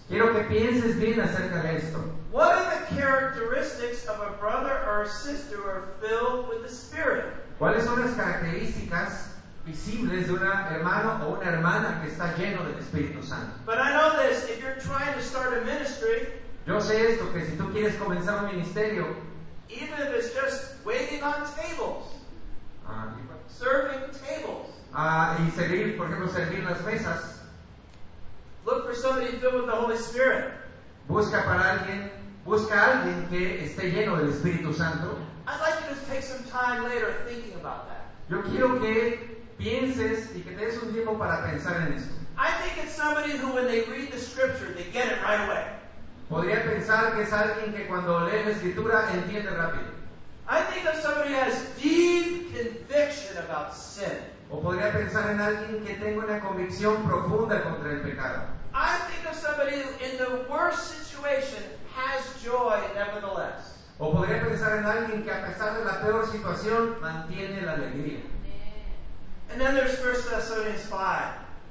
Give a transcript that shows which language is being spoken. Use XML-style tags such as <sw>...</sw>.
<es>Quiero que pienses bien acerca de esto.</es> <en>What are the characteristics of a brother or a sister who are filled with the Spirit?</en> <es>¿Cuáles son las características visibles de un hermano o una hermana que está lleno del Espíritu Santo?</es> <en>But I know this, if you're trying to start a ministry,</en> <es>yo sé esto, que si tú quieres comenzar un ministerio,</es> <en>even if it's just waiting on tables, serving tables,</en> <es>y servir, por ejemplo, servir las mesas,</es> <en>Look for somebody filled with the Holy Spirit.</en> <es>Busca para alguien, busca alguien que esté lleno del Espíritu Santo.</es> <en>I'd like you to take some time later thinking about that.</en> <es>Yo quiero que pienses y que te des un tiempo para pensar en esto.</es> <en>I think it's somebody who, when they read the scripture, they get it right away.</en> <es>Podría pensar que es alguien que cuando lee la escritura entiende rápido.</es> <en>I think of somebody who has deep conviction about sin.</en> <es>O podría pensar en alguien que tenga una convicción profunda contra el pecado.</es> <en>I think of somebody who, in the worst situation, has joy nevertheless.</en> <es>O podría pensar en alguien que a pesar de la peor situación mantiene la alegría.</es> <en>And then there's 1 Thessalonians 5.</en>